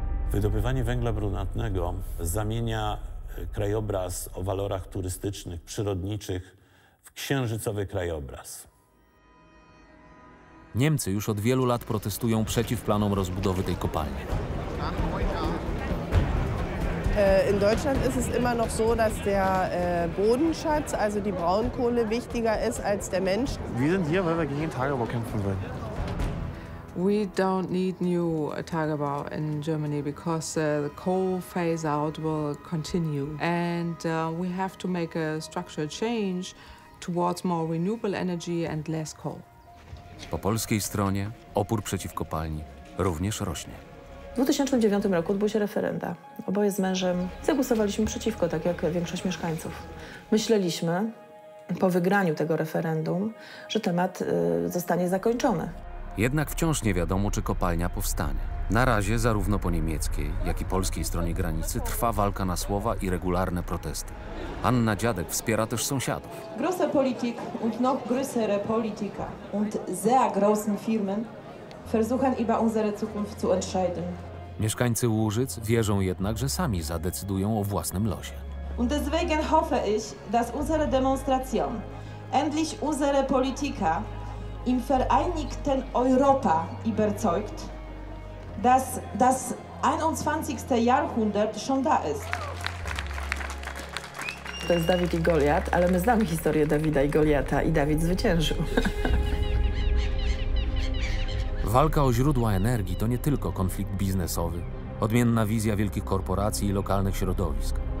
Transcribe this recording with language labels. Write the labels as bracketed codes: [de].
[pl] Wydobywanie węgla brunatnego zamienia krajobraz o walorach turystycznych, przyrodniczych w księżycowy krajobraz. Niemcy już od wielu lat protestują przeciw planom rozbudowy tej kopalni. [de] In Deutschland ist es immer noch so, dass der Bodenschatz, also die Braunkohle, wichtiger ist als der Mensch. Wir sind hier, weil wir gegen den Tagebau kämpfen wollen. [en] We don't need new Tagebau in Germany because the coal phase out will continue. And we have to make a structural change towards more renewable energy and less coal. [pl] Po polskiej stronie opór przeciw kopalni również rośnie. W 2009 roku odbyły się referenda. Oboje z mężem zagłosowaliśmy przeciwko, tak jak większość mieszkańców. Myśleliśmy po wygraniu tego referendum, że temat zostanie zakończony. Jednak wciąż nie wiadomo, czy kopalnia powstanie. Na razie zarówno po niemieckiej, jak i polskiej stronie granicy trwa walka na słowa i regularne protesty. Anna Dziadek wspiera też sąsiadów. [de] Große Politik und noch größere Politiker und sehr großen Firmen versuchen über unsere Zukunft zu entscheiden. [pl] Mieszkańcy Łużyc wierzą jednak, że sami zadecydują o własnym losie. [de] Und deswegen hoffe ich, dass unsere Demonstration, endlich unsere Politiker im Vereinigten Europa überzeugt, dass das 21. Jahrhundert schon da ist. [pl] To jest Dawid i Goliat, ale my znamy historię Dawida i Goliata i Dawid zwyciężył. Walka o źródła energii to nie tylko konflikt biznesowy, odmienna wizja wielkich korporacji i lokalnych środowisk.